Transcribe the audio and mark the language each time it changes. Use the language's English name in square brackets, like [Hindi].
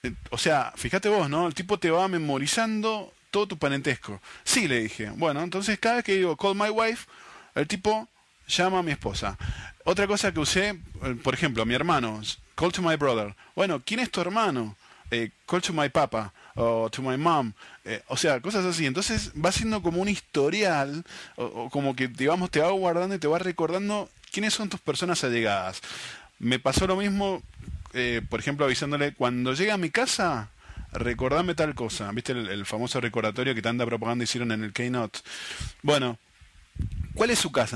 [Spanish] O sea, fíjate vos, ¿no? El tipo te va memorizando todo tu parentesco. Sí, le dije. Bueno, entonces cada vez que digo [English] call my wife, [Spanish] el tipo llama a mi esposa. Otra cosa que usé, por ejemplo, a mi hermano, [English] call to my brother. [Spanish] Bueno, ¿quién es tu hermano? [English] Call to my papa o to my mom. [Spanish] O sea, cosas así. Entonces va siendo como un historial, o como que, digamos, te va guardando y te va recordando quiénes son tus personas allegadas. Me pasó lo mismo, por ejemplo, avisándole, cuando llegue a mi casa, recordame tal cosa. ¿Viste el famoso recordatorio que tanta propaganda hicieron en el Keynote? Bueno. ¿Cuál es su casa?